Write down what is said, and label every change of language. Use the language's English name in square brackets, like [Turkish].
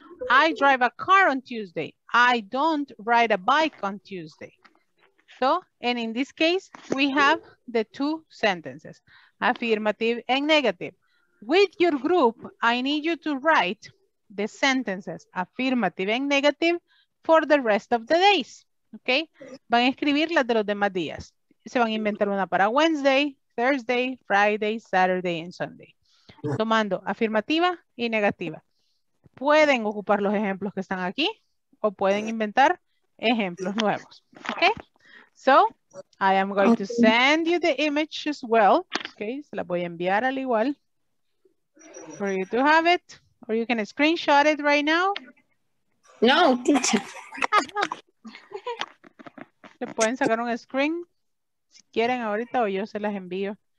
[English] I drive a car on Tuesday. I don't ride a bike on Tuesday. So, and in this case, we have the 2 sentences, affirmative and negative. With your group, I need you to write the sentences, affirmative and negative, for the rest of the days, okay? [Spanish] Van a escribir las de los demás días. Se van a inventar una para [English] Wednesday, Thursday, Friday, Saturday, and Sunday. [Spanish] Tomando afirmativa y negativa. Pueden ocupar los ejemplos que están aquí o pueden inventar ejemplos nuevos, okay? [English] So, I am going to send you the image as well. [Spanish] Okay, se la voy a enviar al igual. [English] For you to have it. Or you can screenshot it right now. [Spanish] No, teacher. Le pueden sacar un screen. Si quieren ahorita o yo se las envío.